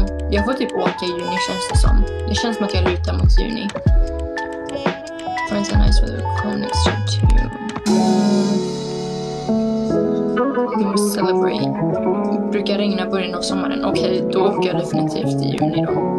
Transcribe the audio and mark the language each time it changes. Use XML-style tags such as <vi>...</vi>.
<sv>Jag får typ åka i juni, känns det som. Det känns som att jag lutar mot juni.</sv> <en>Friends are nice with a comic strip too. We must celebrate.</en> <sv>Brukar regna början av sommaren. Okej, då åker jag definitivt i juni då.</sv>